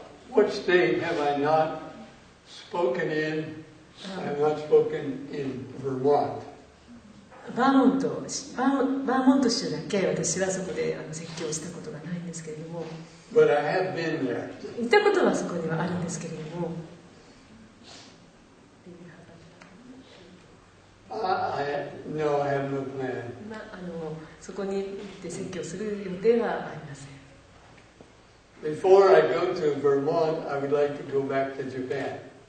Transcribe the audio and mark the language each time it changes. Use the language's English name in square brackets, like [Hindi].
[English] Which state have I not spoken in? I have not spoken in Vermont. [Japanese] Vermont 州だけ私はそこで説教したことがないんですけれども。 [English] But I have been there. [Japanese] 行ったことはそこにはあるんですけれども。 [English] I have no plan. [Japanese] そこに行って説教する予定はありません。 [English] Before I go to Vermont, I would like to go back to Japan.